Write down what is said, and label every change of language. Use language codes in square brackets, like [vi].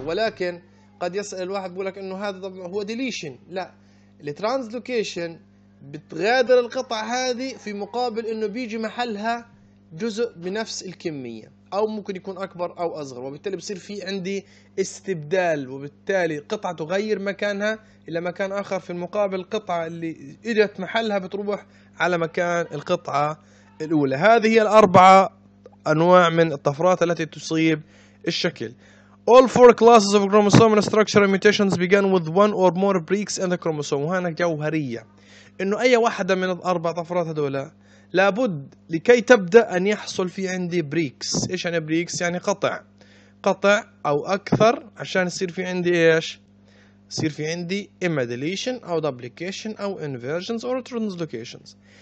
[ar] ولكن قد يسأل الواحد بقولك إنه هذا طبعا هو deletion، لا، translocation بتغادر القطعة هذه في مقابل إنه بيجي محلها جزء بنفس الكمية، أو ممكن يكون أكبر أو أصغر، وبالتالي بصير في عندي استبدال، وبالتالي قطعة تغير مكانها إلى مكان آخر، في المقابل قطعة اللي إجت محلها بتروح على مكان القطعة الأولى. هذه هي الأربعة أنواع من الطفرات التي تصيب الشكل. [en] All four classes of chromosomal structure and mutations begin with one or more breaks in the chromosome. [ar] وهنا جوهرية إنه أي واحدة من الأربع طفرات هذولا لابد لكي تبدأ أن يحصل في عندي بريكس. إيش يعني بريكس؟ يعني قطع، قطع أو أكثر، عشان يصير في عندي إيش؟ يصير في عندي إما deletion أو duplication أو inversions أو translocations.